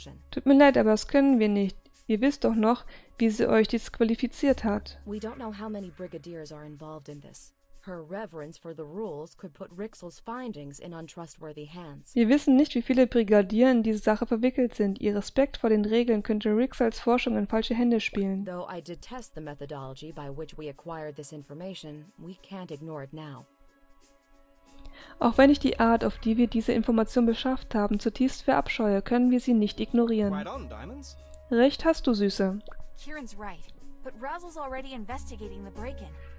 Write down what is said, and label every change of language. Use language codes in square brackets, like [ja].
[de] Tut mir leid, aber das können wir nicht. Ihr wisst doch noch, wie sie euch disqualifiziert hat. Wir wissen nicht, wie viele Brigadiere in diesem sind. [en] Her reverence for the rules could put Rixel's findings in untrustworthy hands. [de] Wir wissen nicht, wie viele Brigadier in diese Sache verwickelt sind. Ihr Respekt vor den Regeln könnte Rixels Forschung in falsche Hände spielen. [en] Though I detest the methodology by which we acquired this information, we can't ignore it now. [de] Auch wenn ich die Art, auf die wir diese Information beschafft haben, zutiefst verabscheue, können wir sie nicht ignorieren. [en] Right on, Diamonds. [de] Recht hast du, Süße. [en] Kieran's right, but Razel's already investigating the break-in.